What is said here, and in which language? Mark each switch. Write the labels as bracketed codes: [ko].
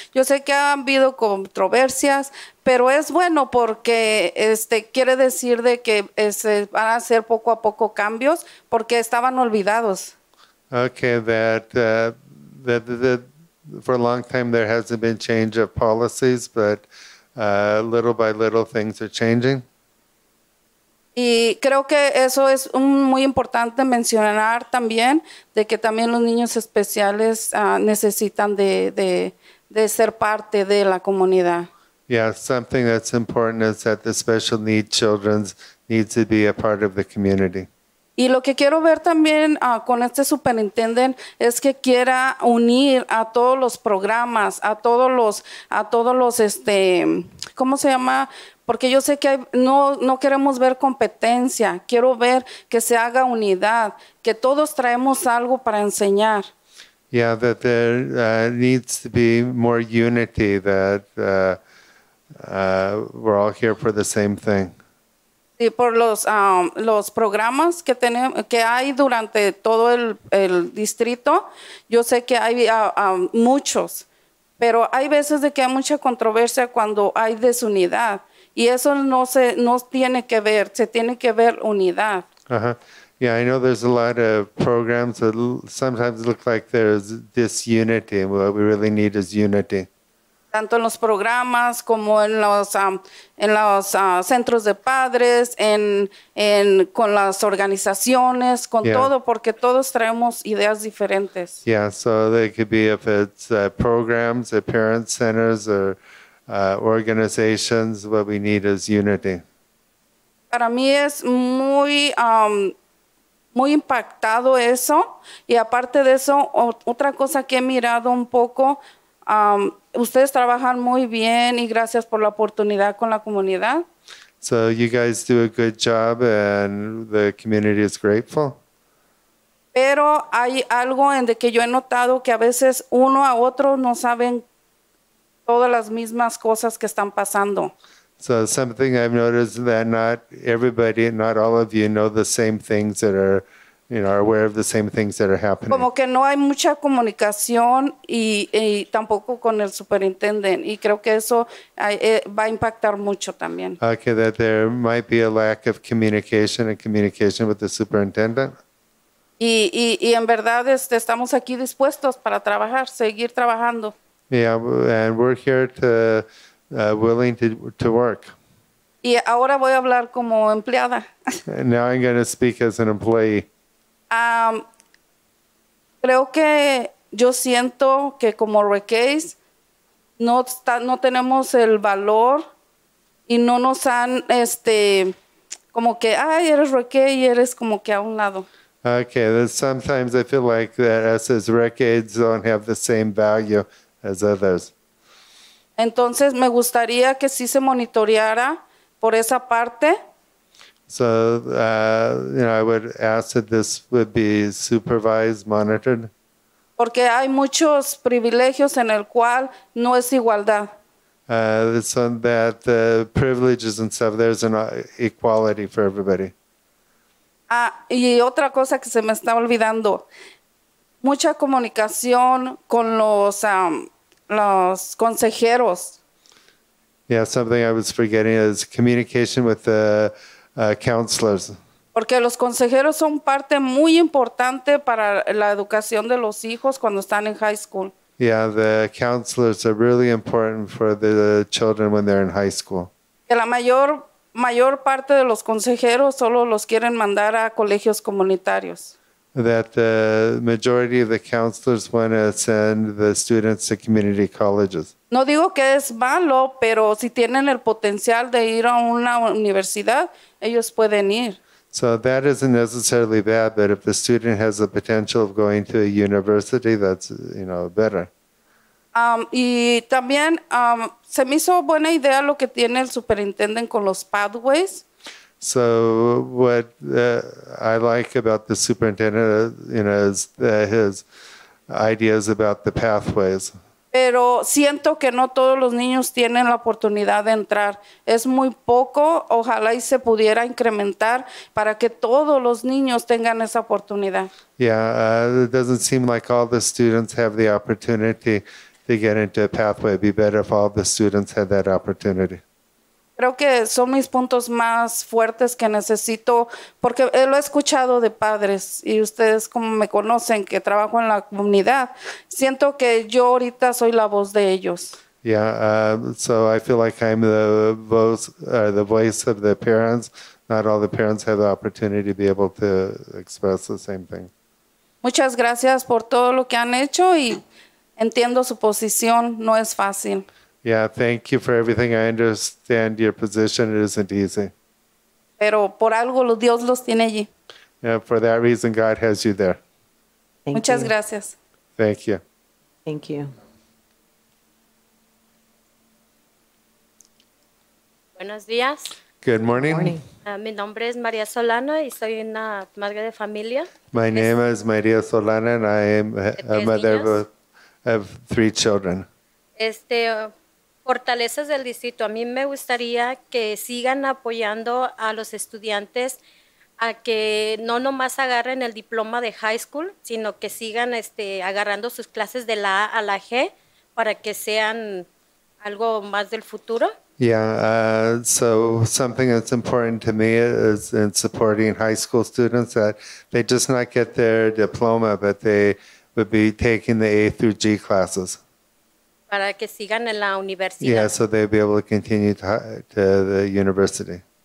[es] Yo sé que han habido controversias, pero es bueno porque quiere decir de que van a hacer poco a poco cambios porque estaban olvidados. [en] Okay, that for a long time there hasn't been change of policies, but little by little things are changing. [es] Y creo que eso es muy importante mencionar también, de que también los niños especiales necesitan de ser parte de la comunidad. [en] Yeah, something that's important is that the special need children need to be a part of the community. [es] Y lo que quiero ver también con este superintendente es que quiera unir a todos los programas, a todos los ¿cómo se llama? Porque yo sé que no queremos ver competencia. Quiero ver que se haga unidad, que todos traemos algo para enseñar. [en] Yeah, that there needs to be more unity, that we're all here for the same thing. [es] Y por los programas que tenemos, que hay durante todo el distrito, yo sé que hay muchos, pero hay veces de que hay mucha controversia cuando hay desunidad, y eso se tiene que ver unidad. Uh-huh. [en] Yeah, I know there's a lot of programs that sometimes look like there's disunity. What we really need is unity. [es] Tanto en los programas como en los centros de padres, con las organizaciones, con [en] yeah. [es] Todo, porque todos traemos ideas diferentes. [en] Yeah, so they could be if it's programs, or parent centers, or organizations. What we need is unity. [es] Para mí es muy muy impactado eso, y aparte de eso, otra cosa que he mirado un poco. Ustedes trabajan muy bien y gracias por la oportunidad con la comunidad. [en] So you guys do a good job and the community is grateful. [es] Pero hay algo en de que yo he notado que a veces uno a otro no saben todas las mismas cosas que están pasando. [en] So something I've noticed that not all of you know the same things that are, you know, are aware of the same things that are happening. [es] Como que no hay mucha comunicación y tampoco con el superintendente, y creo que eso va a impactar mucho también. [en] Okay, that there might be a lack of communication and communication with the superintendent. [es] Y en verdad estamos aquí dispuestos para trabajar, seguir trabajando. [en] Yeah, and we're here to willing to work. [es] Y ahora voy a hablar como empleada. [en] And now I'm going to speak as an employee. [es] Creo que yo siento que como Recase no tenemos el valor y no nos han como que ay, eres Recase y eres como que a un lado. [en] Okay, sometimes I feel like that us as Recase don't have the same value as others. [es] Entonces me gustaría que sí se monitoreara por esa parte. [en] So, I would ask that this would be supervised, monitored. [es] Porque hay muchos privilegios en el cual no es igualdad. [en] So that the privileges and stuff, there's an equality for everybody. [es] Ah, y otra cosa que se me está olvidando. Mucha comunicación con los consejeros. [en] Yeah, something I was forgetting is communication with the counselors. [es] Porque los consejeros son parte muy importante para la educación de los hijos cuando están en high school. [en] Yeah, the counselors are really important for the children when they're in high school. [es] Que la mayor parte de los consejeros solo los quieren mandar a colegios comunitarios. [en] That the majority of the counselors want to send the students to community colleges. [es] No digo que es malo, pero si tienen el potencial de ir a una universidad, ellos pueden ir. [en] So that isn't necessarily bad, but if the student has the potential of going to a university, that's, better. [es] Y también se me hizo buena idea lo que tiene el superintendente con los pathways. [en] So what I like about the superintendent, is his ideas about the pathways. [es] pero siento que no todos los niños tienen la oportunidad de entrar. Es muy poco, ojalá y se pudiera incrementar para que todos los niños tengan esa oportunidad. [en] Yeah, it doesn't seem like all the students have the opportunity to get into a pathway. It'd be better if all the students had that opportunity. [es] Creo que son mis puntos más fuertes que necesito, porque lo he escuchado de padres, y ustedes como me conocen, que trabajo en la comunidad, siento que yo ahorita soy la voz de ellos. [en] So I feel like I'm the voice of the parents. Not all the parents have the opportunity to be able to express the same thing. [es] Muchas gracias por todo lo que han hecho, y entiendo su posición, no es fácil. [en] Yeah, thank you for everything. I understand your position. It isn't easy. [es] Pero por algo Dios los tiene allí. [en] Yeah, for that reason, God has you there. [es] Muchas gracias. [en] Thank you. Thank you. [es] Buenos días. [en] Good morning. [es] Mi nombre es María Solana y soy una madre de familia. [en] My name is María Solana and I am a mother of three children. [es] Fortalezas del distrito. A mí me gustaría que sigan apoyando a los estudiantes a que no nomás agarren el diploma de high school, sino que sigan agarrando sus clases de la A a la G para que sean algo más del futuro. [en] So something that's important to me is in supporting high school students that they just not get their diploma, but they would be taking the A through G classes. [es] Para que sigan en la universidad. [en] Yeah, so they'd be able to continue to the university.